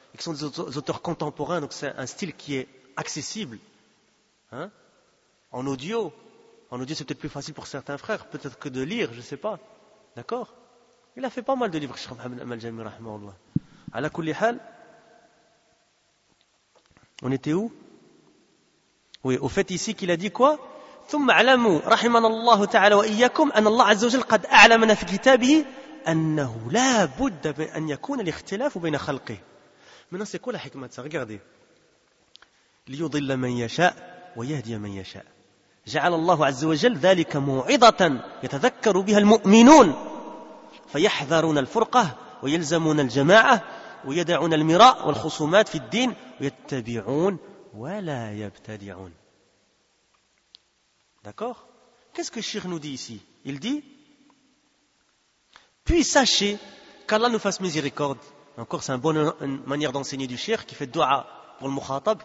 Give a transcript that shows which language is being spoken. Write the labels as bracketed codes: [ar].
[fr] qui sont des auteurs contemporains, donc c'est un style qui est accessible, hein, en audio. En audio, c'est peut-être plus facile pour certains frères, peut-être que de lire, je ne sais pas. D'accord ? Il a fait pas mal de livres, Cheikh Mohammed Amal Jami, rahimahullah. [ar] À la kulli hal, [fr] on était où ? Oui, au fait ici qu'il a dit quoi ? [ar] ثم علموا رحمنا الله تعالى وإياكم أن الله عز وجل قد أعلمنا في كتابه أنه لا بد أن يكون الاختلاف بين خلقه. [fr] Maintenant, c'est quoi la hikmah de ça ? Regardez. [ar] ليضل من يشاء ويهدي من يشاء. جعل الله عز وجل ذلك موعظة يتذكر بها المؤمنون فيحذرون الفرقة ويلزمون الجماعة ويدعون المراء والخصومات في الدين ويتبعون ولا يبتدعون. [fr] D'accord ? Qu'est-ce que Cheikh nous dit ici ? Il dit : puis sachez qu'Allah nous fasse miséricorde. Encore, c'est une bonne manière d'enseigner du Cheikh qui fait dua pour le mukhatab.